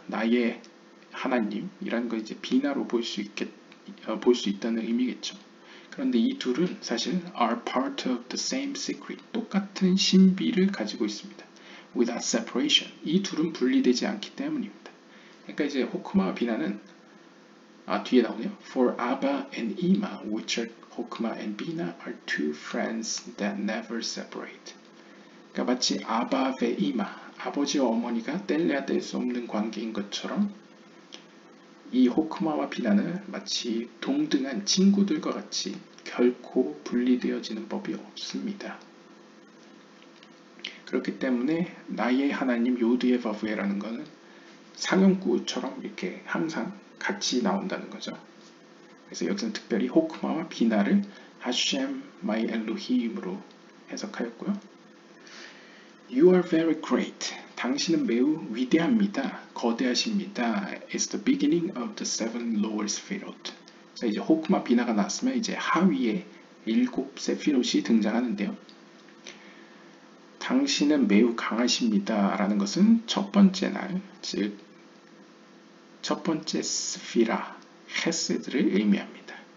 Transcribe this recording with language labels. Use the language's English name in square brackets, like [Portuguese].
[Korean] 나의 하나님이라는 걸 이제 비나로 볼 수 있다는 의미겠죠. 그런데 이 둘은 사실 [English] are part of the same secret, [Korean] 똑같은 신비를 가지고 있습니다. [English] Without separation, [Korean] 이 둘은 분리되지 않기 때문입니다. 그러니까 이제 호크마와 비나는 뒤에 나오네요. [English] For Abba and Ima, which are Hokma and Bina, are two friends that never separate. [Korean] 그러니까 마치 아바베 이마, 아버지와 어머니가 뗄래야 뗄 수 없는 관계인 것처럼 이 호크마와 비나는 마치 동등한 친구들과 같이 결코 분리되어지는 법이 없습니다. 그렇기 때문에 나의 하나님 요드의 바브에라는 것은 상용구처럼 이렇게 항상 같이 나온다는 거죠. 그래서 여기서는 특별히 호크마와 비나를 하쉼 마이 엘로힘으로 해석하였고요. [English] You are very great. [Korean] 당신은 매우 위대합니다. 거대하십니다. [English] It's the beginning of the seven lower sefirot. [Korean] 자, 이제 호크마 비나가 나왔으면 이제 하위에 일곱 세피롯이 등장하는데요. 당신은 매우 강하십니다 라는 것은 첫 번째 날, 즉 첫 번째 스피라, 헤세드를 의미합니다.